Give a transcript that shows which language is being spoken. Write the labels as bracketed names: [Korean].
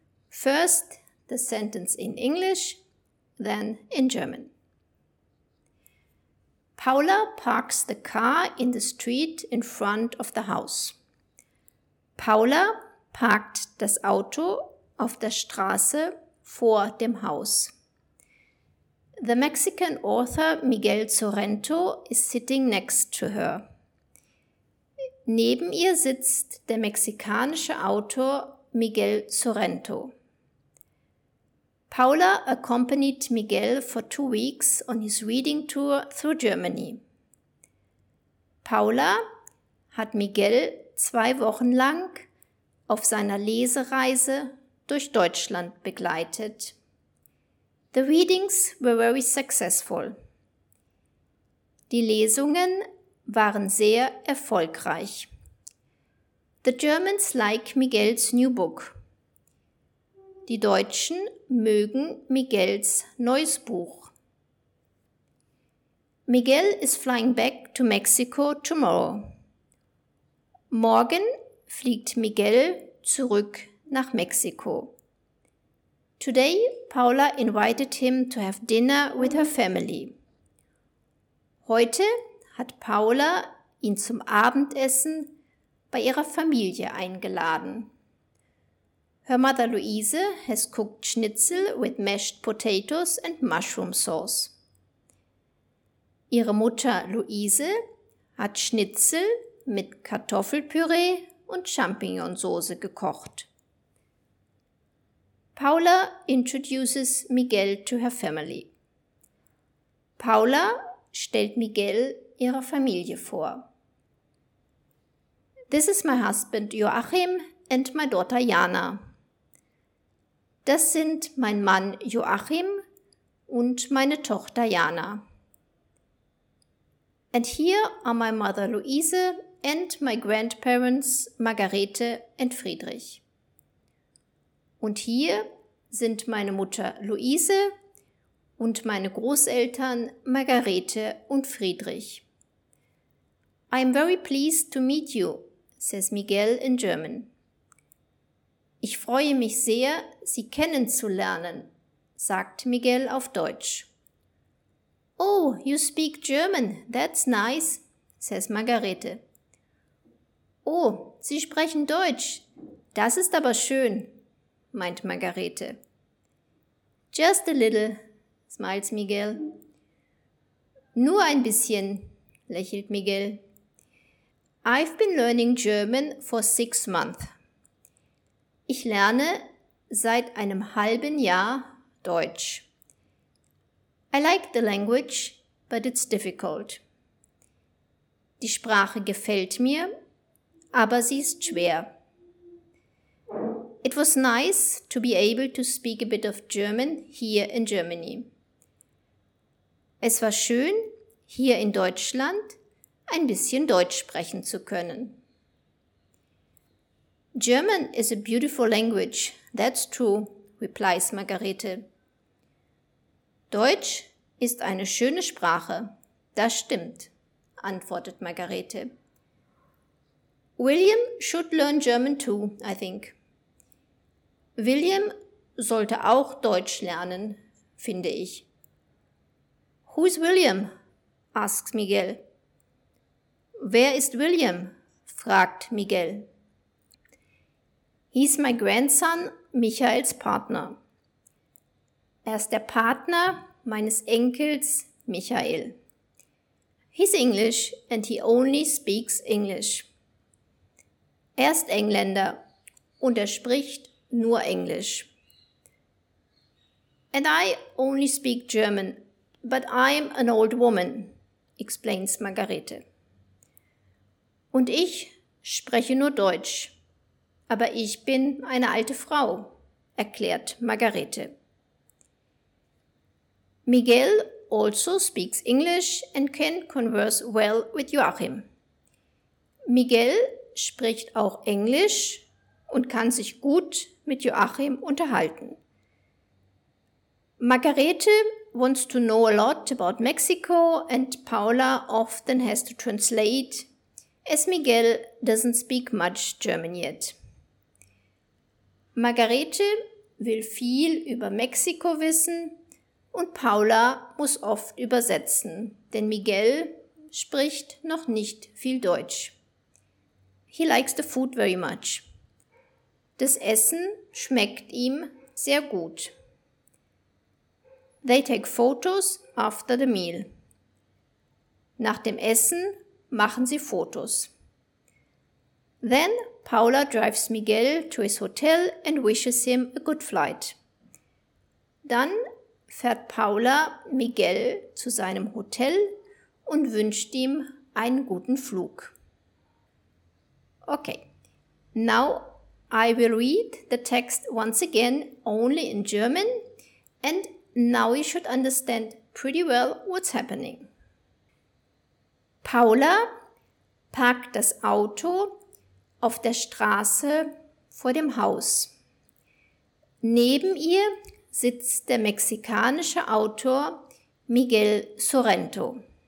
[English] First, the sentence in English, then in German. Paula parks the car in the street in front of the house. [German] Paula parkt das Auto auf der Straße vor dem Haus. [English] The Mexican author Miguel Sorrento is sitting next to her. [German] Neben ihr sitzt der mexikanische Autor Miguel Sorrento. [English] Paula accompanied Miguel for 2 weeks on his reading tour through Germany. [German] Paula hat Miguel 2 Wochen lang auf seiner Lesereise durch Deutschland begleitet. [English] The readings were very successful. [German] Die Lesungen waren sehr erfolgreich. [English] The Germans like Miguel's new book. [German] Die Deutschen mögen Miguels neues Buch. [English] Miguel is flying back to Mexico tomorrow. [German] Morgen fliegt Miguel zurück nach Mexiko. [English] Today, Paula invited him to have dinner with her family. [German] Heute hat Paula ihn zum Abendessen bei ihrer Familie eingeladen. [English] Her mother Luise has cooked schnitzel with mashed potatoes and mushroom sauce. [German] Ihre Mutter Luise hat Schnitzel mit Kartoffelpüree und Champignonsauce gekocht. [English] Paula introduces Miguel to her family. [German] Paula stellt Miguel ihrer Familie vor. [English] This is my husband Joachim and my daughter Jana. [German] Das sind mein Mann Joachim und meine Tochter Jana. [English] And here are my mother Luise and my grandparents Margarete and Friedrich. [German] Und hier sind meine Mutter Luise und meine Großeltern Margarete und Friedrich. [English] I am very pleased to meet you, says Miguel in German. [German] Ich freue mich sehr, Sie kennenzulernen, sagt Miguel auf Deutsch. [English] Oh, you speak German, that's nice, says Margarete. [German] Oh, Sie sprechen Deutsch, das ist aber schön, meint Margarete. [English] Just a little, smiles Miguel. [German] Nur ein bisschen, lächelt Miguel. [English] I've been learning German for 6 months. [German] Ich lerne seit einem halben Jahr Deutsch. [English] I like the language, but it's difficult. [German] Die Sprache gefällt mir, aber sie ist schwer. [English] It was nice to be able to speak a bit of German here in Germany. [German] Es war schön, hier in Deutschland ein bisschen Deutsch sprechen zu können. [English] German is a beautiful language, that's true, replies Margarete. [German] Deutsch ist eine schöne Sprache, das stimmt, antwortet Margarete. [English] William should learn German too, I think. [German] William sollte auch Deutsch lernen, finde ich. [English] Who is William? Asks Miguel. [German] Wer ist William? Fragt Miguel. [English] He's my grandson, Michaels Partner. [German] Er ist der Partner meines Enkels, Michael. [English] He's English and he only speaks English. [German] Er ist Engländer und er spricht nur Englisch. [English] And I only speak German, but I'm an old woman, explains Margarete. [German] Und ich spreche nur Deutsch, aber ich bin eine alte Frau, erklärt Margarete. [English] Miguel also speaks English and can converse well with Joachim. [German] Miguel spricht auch Englisch und kann sich gut mit Joachim unterhalten. [English] Margarete wants to know a lot about Mexico and Paula often has to translate, as Miguel doesn't speak much German yet. [German] Margarete will viel über Mexiko wissen und Paula muss oft übersetzen, denn Miguel spricht noch nicht viel Deutsch. [English] He likes the food very much. [German] Das Essen schmeckt ihm sehr gut. [English] They take photos after the meal. [German] Nach dem Essen machen sie Fotos. [English] Then Paula drives Miguel to his hotel and wishes him a good flight. [German] Dann fährt Paula Miguel zu seinem Hotel und wünscht ihm einen guten Flug. [English] Okay, now I will read the text once again only in German and now you should understand pretty well what's happening. [German] Paula parkt das Auto auf der Straße vor dem Haus. Neben ihr sitzt der mexikanische Autor Miguel Sorrento.